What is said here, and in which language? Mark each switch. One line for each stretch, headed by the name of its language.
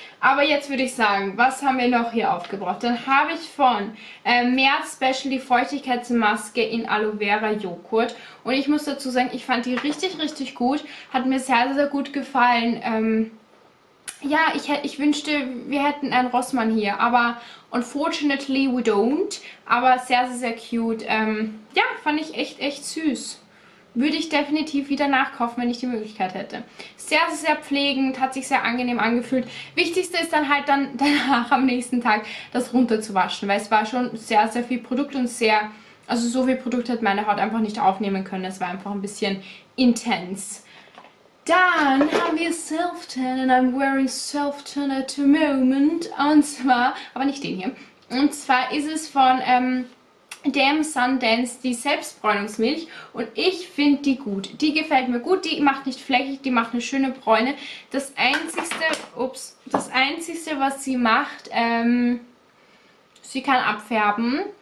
German: Aber jetzt würde ich sagen, was haben wir noch hier aufgebraucht? Dann habe ich von Merz Special die Feuchtigkeitsmaske in Aloe Vera Joghurt. Und ich muss dazu sagen, ich fand die richtig, richtig gut. Hat mir sehr, sehr gut gefallen. Ja, ich wünschte, wir hätten einen Rossmann hier.
English: Aber unfortunately we don't.
German: Aber sehr, sehr, sehr cute. Ja, fand ich echt, echt süß. Würde ich definitiv wieder nachkaufen, wenn ich die Möglichkeit hätte. Sehr, sehr pflegend, hat sich sehr angenehm angefühlt. Wichtigste ist dann halt dann danach am nächsten Tag das runterzuwaschen, weil es war schon sehr, sehr viel Produkt und sehr, also so viel Produkt hat meine Haut einfach nicht aufnehmen können. Es war einfach ein bisschen intens. Dann haben wir
English: Self-Tan and I'm wearing Self-Tan at the moment.
German: Und zwar, aber nicht den hier. Und zwar ist es von Damn Sundance, die Selbstbräunungsmilch, und ich finde die gut. Die gefällt mir gut, die macht nicht fleckig, die macht eine schöne Bräune. Das Einzige, ups, das Einzige, was sie macht, sie kann abfärben.